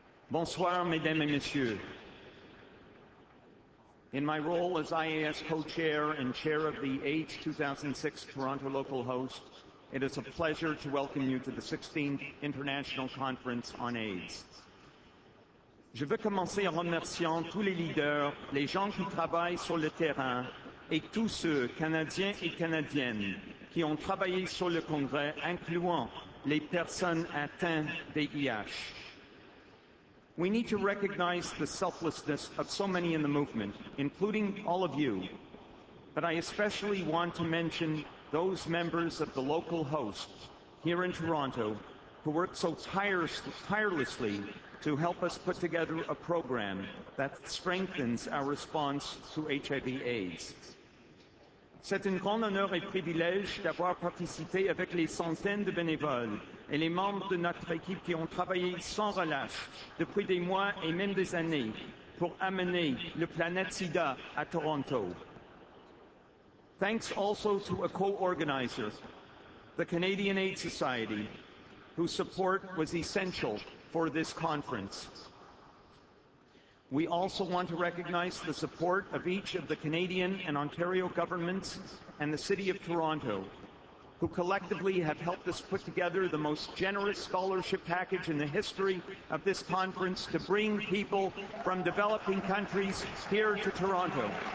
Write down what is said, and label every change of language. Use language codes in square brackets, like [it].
[fr] Bonsoir, mesdames et messieurs. [en] In my role as IAS co-chair and chair of the AIDS 2006 Toronto local host, it is a pleasure to welcome you to the 16th International Conference on AIDS. [fr] Je veux commencer en remerciant tous les leaders, les gens qui travaillent sur le terrain et tous ceux, Canadiens et Canadiennes, qui ont travaillé sur le Congrès, incluant les personnes atteintes d'HIV. [en] We need to recognize the selflessness of so many in the movement, including all of you. But I especially want to mention those members of the local host here in Toronto who worked so tirelessly to help us put together a program that strengthens our response to HIV/AIDS. [fr] C'est un grand honneur et privilège d'avoir participé avec les centaines de bénévoles et les membres de notre équipe qui ont travaillé sans relâche depuis des mois et même des années pour amener le planète SIDA à Toronto. [en] Thanks also to a co-organizer, the Canadian AIDS Society, whose support was essential for this conference. We also want to recognize the support of each of the Canadian and Ontario governments and the City of Toronto, who collectively have helped us put together the most generous scholarship package in the history of this conference to bring people from developing countries here to Toronto.